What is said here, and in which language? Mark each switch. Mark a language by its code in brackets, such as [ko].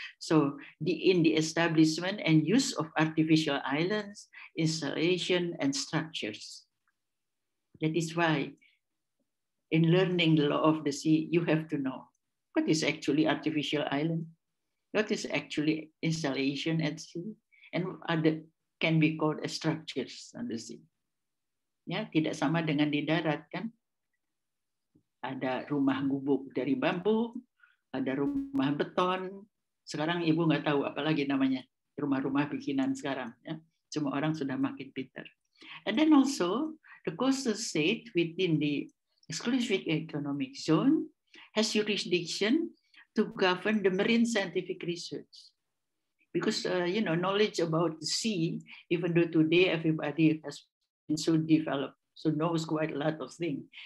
[en] So the in the establishment and use of artificial islands, installation and structures. That is why in learning the law of the sea, you have to know what is actually artificial island, what is actually installation at sea, and other can be called as structures on the sea. [id] Ya, tidak sama dengan di darat kan? Ada rumah gubuk dari bambu, ada rumah beton. Sekarang ibu nggak tahu apalagi namanya rumah-rumah bikinan sekarang. Ya. Cuma orang sudah makin pintar. [en] And then also the coastal state within the exclusive economic zone has jurisdiction to govern the marine scientific research. Because you know, knowledge about the sea, even though today everybody has been so developed, so knows quite a lot of things.